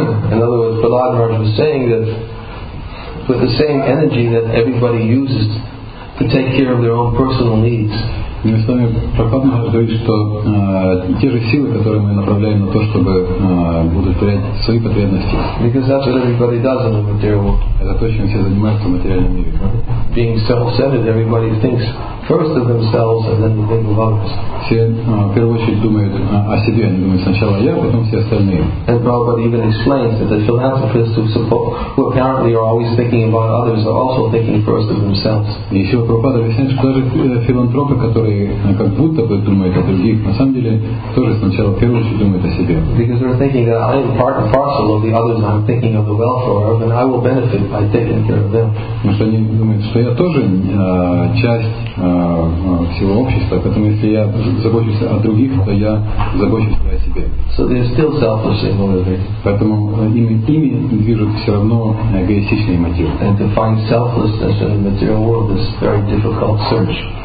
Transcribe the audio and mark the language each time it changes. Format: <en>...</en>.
<en>In other words, Balaram Maharaj was saying that with the same energy that everybody uses to take care of their own personal needs,</en> <ru>Мы с вами Прабхупада говорит, что те же силы, которые мы направляем на то, чтобы удовлетворять свои потребности.</ru> <en>Because that's what everybody does in the material world.</en> <ru>Это то, чем все занимаются в материальном мире.</ru> <en>Being self-centered, everybody thinks first of themselves and then think of others.</en> <ru>Все в первую очередь думают о себе, они думают сначала я, потом все остальные.</ru> <en>And Prabhupada even explains that the philanthropists who apparently are always thinking about others are also thinking first of themselves.</en> <ru>И еще Прабхупада объясняет, что даже филантропы, которые как будто бы думают о других, на самом деле тоже сначала в первую очередь думают о себе.</ru> <en>Because they're thinking that I'm part and parcel of the others, I'm thinking of the welfare of, and I will benefit by taking care of them.</en> <ru>Потому что они думают, что я тоже часть всего общества, поэтому если я забочусь о других, то я забочусь о себе.</ru> <en>So they're still selfish in order to.</en> <ru>Поэтому ими движут все равно эгоистичные мотивы.</ru> <en>And to find selflessness in the material world is a very difficult search.</en>